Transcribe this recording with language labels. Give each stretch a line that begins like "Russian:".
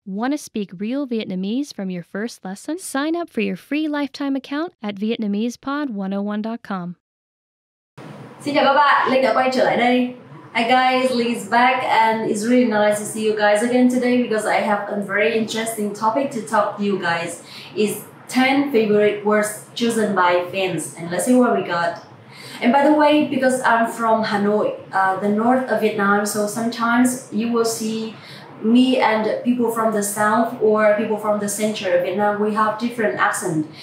English: Want to speak real Vietnamese from your first lesson? Sign up for your free lifetime account at VietnamesePod101.com.
Vietnamese: Xin chào các bạn, Linh đã quay trở lại đây.
English: Hi guys, Linh is back and it's really nice to see you guys again today because I have a very interesting topic to talk to you guys. It's 10 favorite words chosen by fans and let's see what we got. And by the way, because I'm from Hanoi, the north of Vietnam, so sometimes you will see me and people from the south or people from the center of Vietnam, we have different accent.